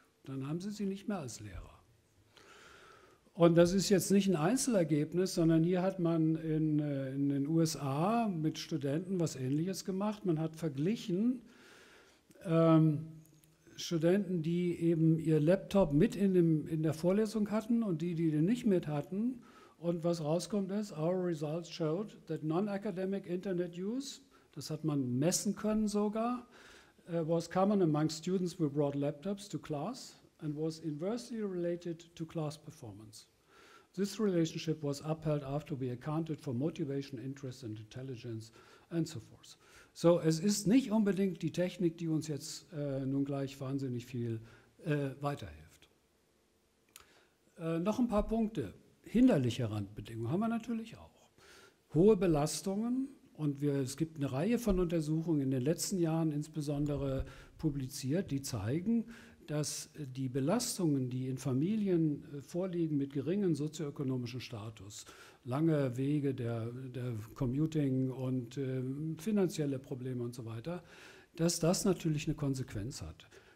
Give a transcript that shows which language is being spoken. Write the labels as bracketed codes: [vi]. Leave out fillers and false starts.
[de] Dann haben sie sie nicht mehr als Lehrer. Und das ist jetzt nicht ein Einzelergebnis, sondern hier hat man in den USA mit Studenten was Ähnliches gemacht. Man hat verglichen, Studenten, die eben ihr Laptop mit in der Vorlesung hatten und die, die den nicht mit hatten. Und was rauskommt ist, [en] our results showed that non-academic internet use, [de] das hat man messen können sogar, [en] was common among students who brought laptops to class and was inversely related to class performance. This relationship was upheld after we accounted for motivation, interest and intelligence and so forth. [de] So, es ist nicht unbedingt die Technik, die uns jetzt nun gleich wahnsinnig viel weiterhilft. Noch ein paar Punkte. Hinderliche Randbedingungen haben wir natürlich auch. Hohe Belastungen und es gibt eine Reihe von Untersuchungen in den letzten Jahren insbesondere publiziert, die zeigen, dass die Belastungen, die in Familien vorliegen mit geringem sozioökonomischen Status, lange Wege der Commuting und finanzielle Probleme und so weiter, dass das natürlich eine Konsequenz hat.